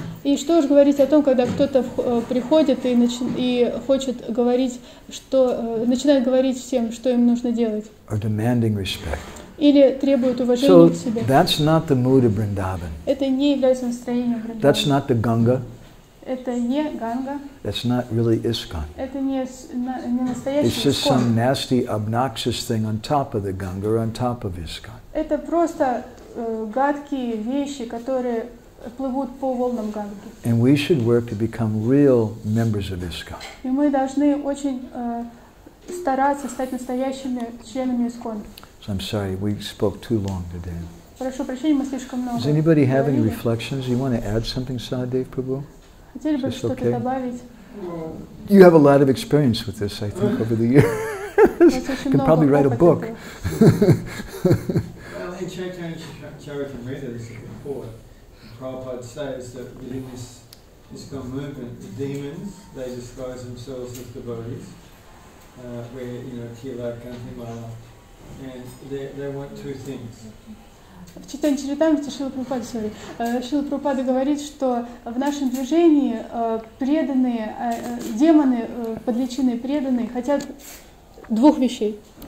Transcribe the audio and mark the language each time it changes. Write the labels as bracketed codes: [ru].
[ru] И что уж говорить о том, когда кто-то приходит и хочет говорить, что начинает говорить всем, что им нужно делать. [en] Or demanding respect. [ru] Или требует уважения к себе. [en] So that's not the mood of Vrindavan. [ru] Это не является настроением Вриндавана. [en] That's not the Ganga. [ru] Это не Ганга. [en] That's not really ISKCON. [ru] Это не настоящий [en] ISKCON. It's just some nasty, obnoxious thing on top of the Ganga or on top of ISKCON. [ru] Это просто гадкие вещи, которые плывут по волнам Ганги. [en] And we should work to become real members of ISKCON. [ru] И мы должны очень стараться стать настоящими членами ИСККОН. [en] So I'm sorry, we spoke too long today. [ru] Прошу прощения, мы слишком много говорили. [en] Does anybody have any reflections? You want to add something, Sahadev Prabhu? [ru] Хотели бы что-то добавить? [en] You have a lot of experience with this, I think, over the years. You can probably write a book. Well, in Chaitanya Charitamrita, there's a report. Prabhupada says that within this ISKCON movement, the demons, they disguise themselves as devotees, where, you know, Tila Gandhimala, and they want two things. [ru] В Чайтанья Чаритамрите Шрила Прабхупада говорит, что в нашем движении преданные, демоны, под личиной преданные, хотят двух вещей.